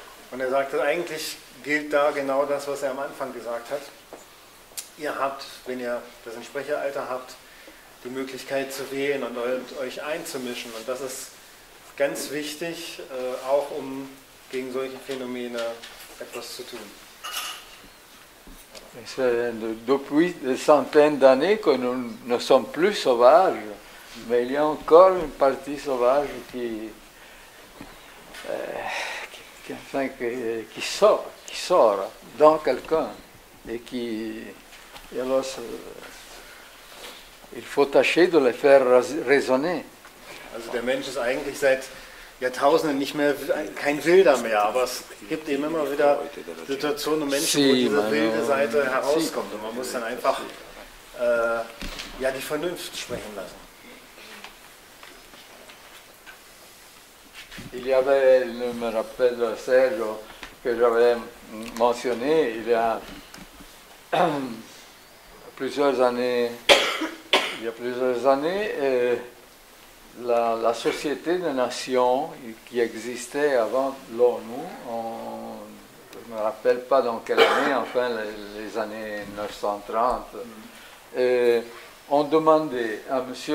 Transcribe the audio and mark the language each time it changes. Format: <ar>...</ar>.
<de>Und er sagt, eigentlich gilt da genau das, was er am Anfang gesagt hat. Ihr habt, wenn ihr das Entsprecheralter habt, die Möglichkeit zu wählen und euch einzumischen. Und das ist ganz wichtig, auch um gegen solche Phänomene etwas zu tun.</de> <fr>Es ist depuis des centaines d'années que nous ne sommes plus sauvages, mais il y a encore une partie sauvage qui... Enfin, qui sort dans quelqu'un et qui... Et alors, il faut tâcher de les faire raisonner.</fr> <de>Also der Mensch ist eigentlich seit Jahrtausenden nicht mehr kein Wilder mehr, aber es gibt eben immer wieder Situationen und Menschen, wo diese wilde Seite herauskommt und man muss dann einfach die Vernunft sprechen lassen.</de> <fr>Il y avait, je me rappelle Serge, que j'avais mentionné, il y a Il y a plusieurs années, la Société des Nations qui existait avant l'ONU, je ne me rappelle pas dans quelle année, enfin les années 1930, ont demandé à M.</fr>